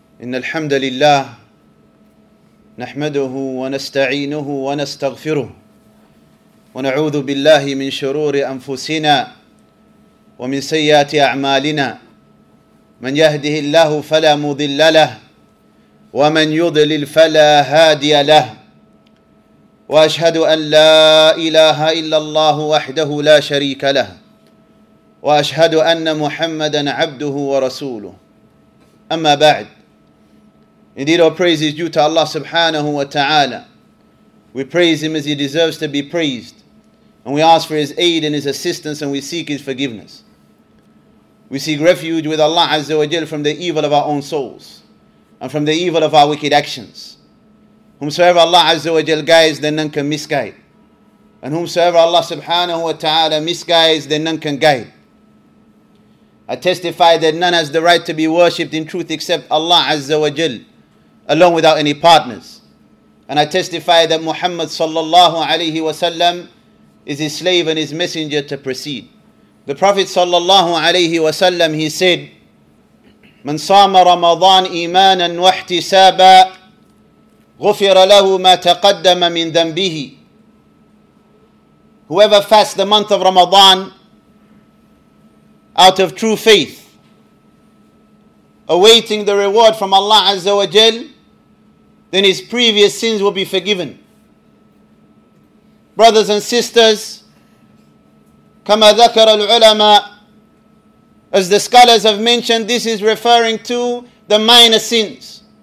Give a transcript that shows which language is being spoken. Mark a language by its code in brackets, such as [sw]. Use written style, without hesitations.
[ar] إن الحمد لله نحمده ونستعينه ونستغفره ونعوذ بالله من شرور أنفسنا ومن سيئات أعمالنا، من يهده الله فلا مضل له ومن يضلل فلا هادي له، وأشهد أن لا إله إلا الله وحده لا شريك له، وأشهد أن محمدًا عبده ورسوله. أما بعد، [en] indeed our praise is due to Allah subhanahu wa ta'ala. We praise Him as He deserves to be praised, and we ask for His aid and His assistance, and we seek His forgiveness. We seek refuge with Allah azza wa jal from the evil of our own souls and from the evil of our wicked actions. Whomsoever Allah azza wa jal guides, then none can misguide. And whomsoever Allah subhanahu wa ta'ala misguides, then none can guide. I testify that none has the right to be worshipped in truth except Allah azza wa jal, alone without any partners. And I testify that Muhammad sallallahu alayhi wa sallam is his slave and his messenger to precede. The Prophet sallallahu alayhi wa sallam, he said, [ar] من صام رمضان إيمانا واحتسابا غفر له ما تقدم من ذنبه. [en] Whoever fasts the month of Ramadan out of true faith, awaiting the reward from Allah Azza wa Jal, then his previous sins will be forgiven. Brothers and sisters, [ar] كما ذكر العلماء, [en] as the scholars have mentioned, this is referring to the minor sins.